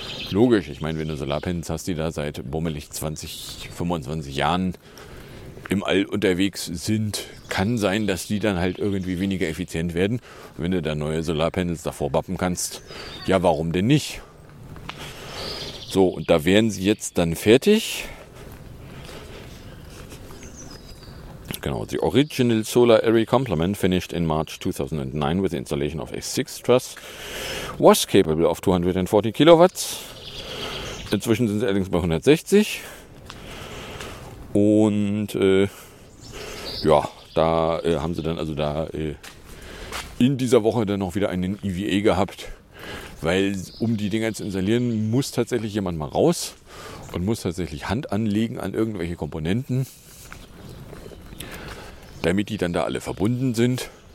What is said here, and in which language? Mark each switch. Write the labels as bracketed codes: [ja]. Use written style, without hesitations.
[de] Logisch, ich meine, wenn du Solarpanels hast, die da seit bummelig 20, 25 Jahren im All unterwegs sind, kann sein, dass die dann halt irgendwie weniger effizient werden. Wenn du da neue Solarpanels davor bappen kannst, ja, warum denn nicht? So, und da wären sie jetzt dann fertig. [en] Genau, the original solar array complement finished in March 2009 with the installation of a 6 truss was capable of 240 kilowatts. [de] Inzwischen sind sie allerdings bei 160. Und ja, da haben sie dann also da in dieser Woche dann noch wieder einen EVA gehabt. Weil um die Dinger zu installieren, muss tatsächlich jemand mal raus und muss tatsächlich Hand anlegen an irgendwelche Komponenten, damit die dann da alle verbunden sind.